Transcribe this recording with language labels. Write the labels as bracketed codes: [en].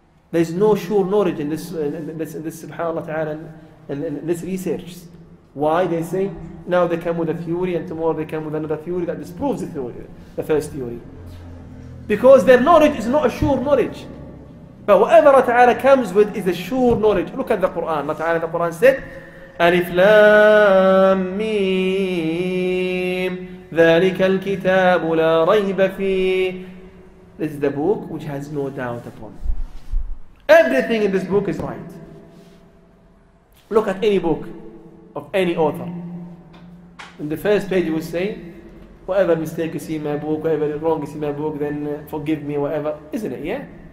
[en] There's no sure knowledge in this subhanAllah ta'ala, in this research. Why? They say, now they come with a theory and tomorrow they come with another theory that disproves the theory, the first theory. Because their knowledge is not a sure knowledge. But whatever Allah Ta'ala comes with is a sure knowledge. Look at the Qur'an. Allah Ta'ala in the Qur'an said, [ar] أَلِفْ لَام مِيم ذَلِكَ الْكِتَابُ لَا رَيْبَ فِيهِ. [en] This is the book which has no doubt upon. Everything in this book is right. Look at any book of any author. In the first page you will say, whatever mistake you see in my book, whatever wrong you see in my book, then forgive me, whatever. Isn't it? Yeah?